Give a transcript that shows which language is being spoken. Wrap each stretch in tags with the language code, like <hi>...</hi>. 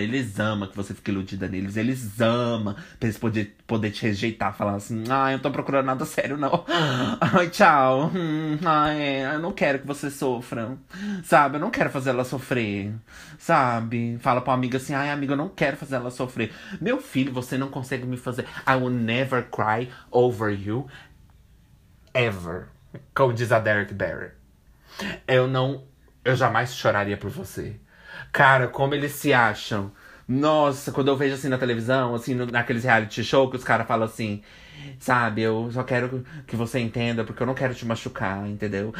<pt>Eles amam que você fique iludida neles. Eles amam pra eles poder te rejeitar, falar assim: ah, eu não tô procurando nada sério, não. Ai, tchau. Ai, eu não quero que você sofra. Sabe? Eu não quero fazer ela sofrer. Sabe? Fala pra uma amiga assim: ai, amiga, eu não quero fazer ela sofrer. Meu filho, você não consegue me fazer.</pt> <en>I will never cry over you.</en> <pt>Ever. Como diz a Derek Barry. Eu jamais choraria por você. Cara, como eles se acham. Nossa, quando eu vejo assim na televisão, assim, naqueles reality show, que os caras falam assim, sabe, eu só quero que você entenda, porque eu não quero te machucar, entendeu?</pt>